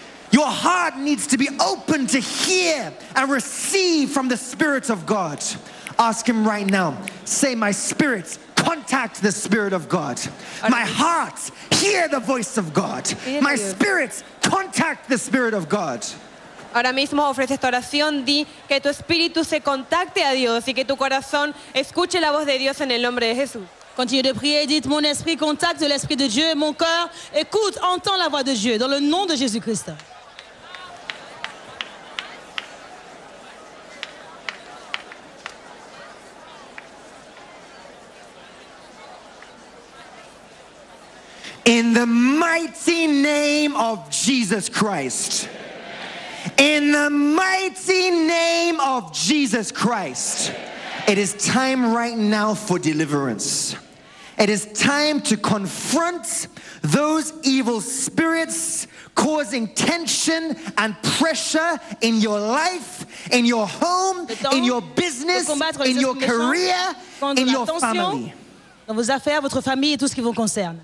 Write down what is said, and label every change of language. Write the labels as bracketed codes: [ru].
[en] Your heart needs to be open to hear and receive from the Spirit of God. Ask him right now. Say, my spirit, contact the Spirit of God. My heart, hear the voice of God. My spirit, contact the Spirit of God. [es] Ahora mismo ofrece esta oración, di que tu espíritu se contacte a Dios y que tu corazón escuche la voz de Dios en el nombre de Jesús. [fr] Continue de prier, dites mon esprit contacte l'esprit de Dieu, mon cœur écoute, entend la voix de Dieu dans le nom de Jésus-Christ. [en] In the mighty name of Jesus Christ. In the mighty name of Jesus Christ. It is time right now for deliverance. It is time to confront those evil spirits causing tension and pressure in your life, in your home, in your business, in your career, in your family. [fr] Dans vos affaires, votre famille et tout ce qui vous concerne.